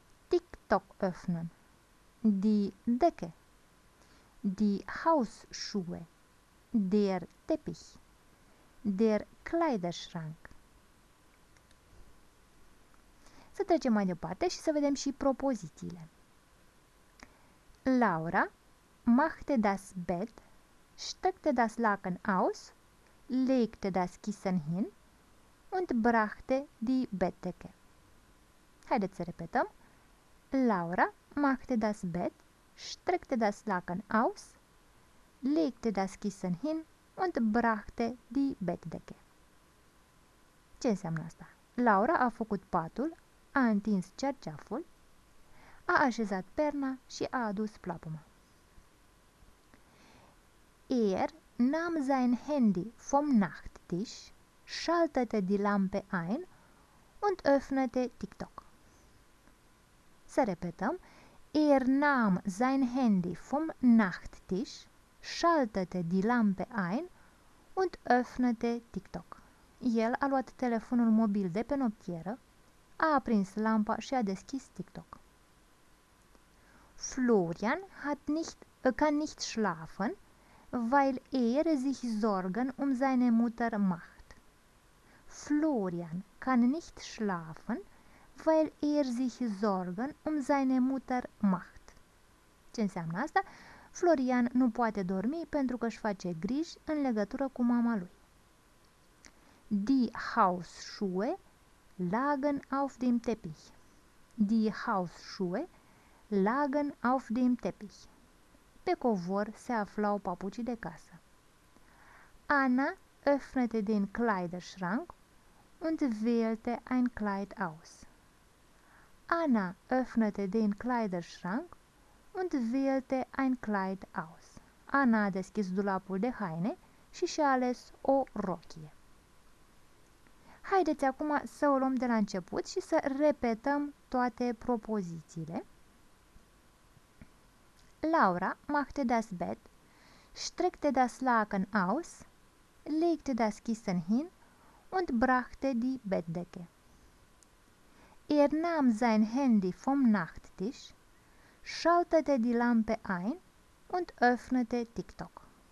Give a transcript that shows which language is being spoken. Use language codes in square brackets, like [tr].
[de] TikTok öffnen. Die Decke. Die Hausschuhe. Der Teppich. Der Kleiderschrank. [ro] Să trecem mai departe și să vedem și propozițiile. [de] Laura machte das Bett, steckte das Laken aus, legte das Kissen hin und brachte die Bettdecke. [ro] Haideți să repetăm. [de] Laura machte das Bett, steckte das Laken aus, legte das Kissen hin und brachte die Bettdecke. [ro] Ce înseamnă asta? Laura a făcut patul, a întins cerceaful, a așezat perna și a adus plapuma. [de] Er nahm sein Handy vom Nachttisch, schaltete die Lampe ein und öffnete TikTok. [ro] Să repetăm. [de] Er nahm sein Handy vom Nachttisch, schaltete die Lampe ein und öffnete TikTok. [ro] El a luat telefonul mobil de pe noptieră, a aprins lampa și a deschis TikTok. [de] Florian kann nicht schlafen, weil er sich Sorgen um seine Mutter macht. Florian kann nicht schlafen, weil er sich Sorgen um seine Mutter macht. [ro] Ce înseamnă asta? Florian nu poate dormi pentru că își face griji în legătură cu mama lui. [de] Die Hausschuhe lagen auf dem Teppich. Die Hausschuhe lagen auf dem Teppich. [ro] Pe covor se aflau papucii de casă. [de] Anna öffnete den Kleiderschrank und wählte ein Kleid aus. Anna öffnete den Kleiderschrank und wählte ein Kleid aus. [ro] Anna a deschis dulapul de haine și și-a ales o rochie. Haideți acum să o luăm de la început și să repetăm toate propozițiile. [de] Laura machte das Bett, streckte das Laken aus, legte das Kissen hin und brachte die Bettdecke. Er nahm sein Handy vom Nachttisch, schaltete die Lampe ein und öffnete TikTok.